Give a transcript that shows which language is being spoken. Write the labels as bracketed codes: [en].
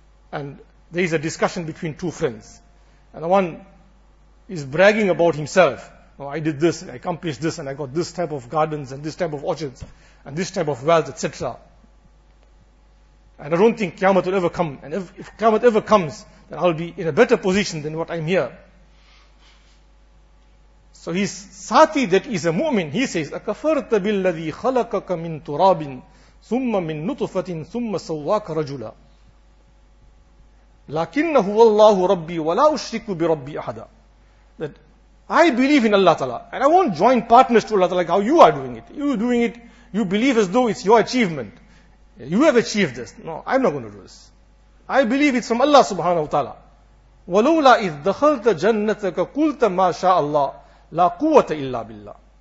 [en] And there is a discussion between two friends. And the one is bragging about himself. Oh, I did this, I accomplished this, and I got this type of gardens, and this type of orchards, and this type of wealth, etc. And I don't think Qiyamah will ever come. And if Qiyamah ever comes, then I'll be in a better position than what I'm here. So his sati that is a mu'min, he says, [ar] أَكَفَرْتَ بِالَّذِي خَلَقَكَ مِن تُرَابٍ ثُمَّ مِن نُطُفَةٍ ثُمَّ سَوَّاكَ رَجُلًا لَكِنَّهُ وَاللَّهُ رَبِّي وَلَا أُشْرِكُ بِرَبِّي أَحَدًا. [en] That I believe in Allah Ta'ala, and I won't join partners to Allah Ta'ala like how you are doing it. You're doing it, you believe as though it's your achievement. You have achieved this. No, I'm not going to do this. I believe it's from Allah Subhanahu Wa Ta'ala. [ar] وَلَوْلَا إِذْ دَخَلْتَ جَنَّتَكَ قُلْتَ مَا شَاءَ اللَّهِ لَا قُوَّةَ إِلَّا بِاللَّهِ.